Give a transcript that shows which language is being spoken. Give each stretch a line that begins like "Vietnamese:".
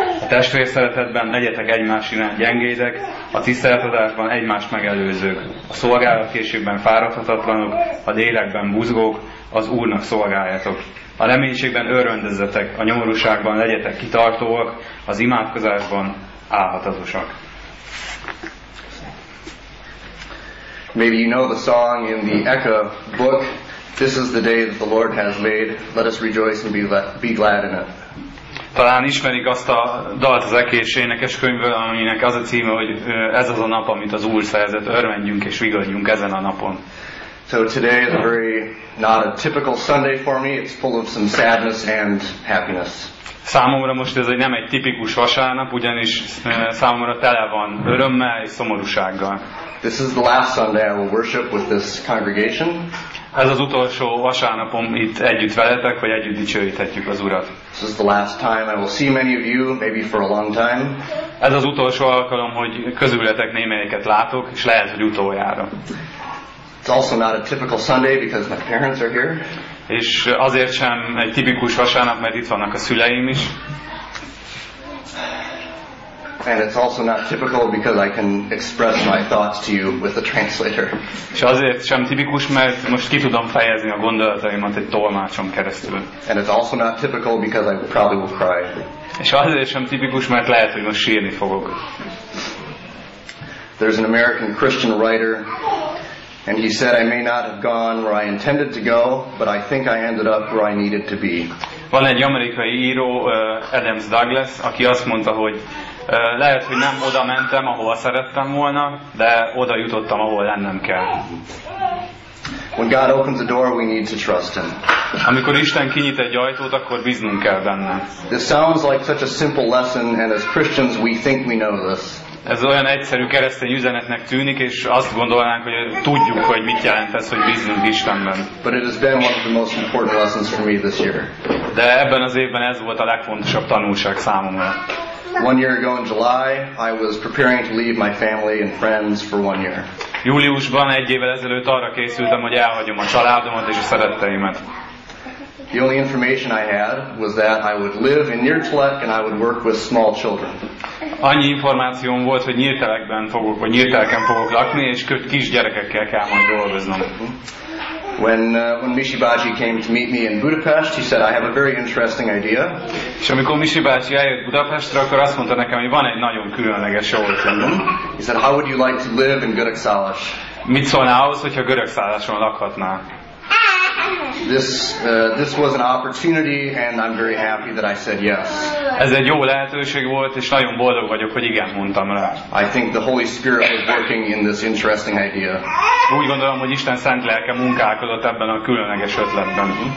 Hungarian: A testvér szeretetben legyetek egymás iránt gyengédek, a tiszteletadásban egymást megelőzők, a szolgálatkészségben fáradhatatlanok, a lélekben buzgók, az Úrnak szolgáljatok. A reménységben örvendezzetek, a nyomorúságban legyetek kitartóak, az imádkozásban álhatatosak.
English: Maybe you know the song in the Ecca book, "This is the day that the Lord has made, let us rejoice and be glad in it."
Hungarian: Talán ismerik azt a dalt az Ekkés énekes könyvből, aminek az a címe, hogy ez az a nap, amit az Úr szerzett, örvendjünk és vigadjunk ezen a napon.
English: So today is a very not a typical Sunday for me, it's full of some sadness and happiness.
Hungarian: Számomra most ez nem egy tipikus vasárnap, ugyanis számomra tele van örömmel és szomorúsággal.
English: This is the last Sunday I will worship with this congregation.
Hungarian: Ez az utolsó vasárnapom itt együtt veletek, vagy együtt dicsőíthetjük az Urat.
English: This is the last time I will see many of you, maybe for a long time.
Hungarian: Ez az utolsó alkalom, hogy közületek némelyiket látok, és lehet, hogy utoljára.
English: It's also not a typical Sunday because my parents are here.
Hungarian: És azért sem egy tipikus vasárnap, mert itt vannak a szüleim is.
English: And it's also not typical because I can express my thoughts to you with a translator.
Hungarian: És azért sem tipikus, mert most ki tudom fejezni a gondolataimat egy tolmácson keresztül.
English: And it's also not typical because I probably will cry.
Hungarian: És azért sem tipikus, mert lehet, hogy most sírni fogok.
English: There's an American Christian writer. And he said, "I may not have gone where I intended to go, but I think I ended up where I needed to be."
Hungarian: Van egy amerikai író, Adams Douglas, aki azt mondta, hogy lehet, hogy nem oda mentem, ahova szerettem volna, de oda jutottam, ahol lennem kell.
English: When God opens a door, we need to trust Him.
Hungarian: Amikor Isten kinyit egy ajtót, akkor bíznunk kell benne.
English: This sounds like such a simple lesson, and as Christians, we think we know this.
Hungarian: Ez olyan egyszerű keresztény üzenetnek tűnik, és azt gondolnánk, hogy tudjuk, hogy mit jelent ez, hogy bízunk Istenben.
English: But it has been one of the most important lessons for me this year.
Hungarian: De ebben az évben ez volt a legfontosabb tanulság számomra.
English: One year ago in July, I was preparing to leave my family and friends for one year.
Hungarian: Júliusban egy évvel ezelőtt arra készültem, hogy elhagyom a családomat és a szeretteimet.
English: The only information I had was that I would live in Nyírtelek and I would work with small children.
Hungarian: Annyi információm volt, hogy Nyírtelekben fogok, vagy Nyírtelken fogok lakni, és kisgyerekekkel kell majd dolgoznom.
English: When Misi bácsi came to meet me in Budapest, he said, "I have a very interesting idea."
Hungarian: És amikor Misi bácsi eljött Budapestre, akkor azt mondta nekem, hogy van egy nagyon különleges ötletem.
English: He said, "How would you like to live in Görögszállás?"
Hungarian: Mit szólna ahhoz, hogyha Görögszálláson lakhatná?
English: This was an opportunity, and I'm very happy that I said yes.
Hungarian: Ez egy jó lehetőség volt, és nagyon boldog vagyok, hogy igen mondtam rá.
English: I think the Holy Spirit was working in this interesting idea.
Hungarian: Úgy gondolom, hogy Isten szent lelke munkálkodott ebben a különleges ötletben.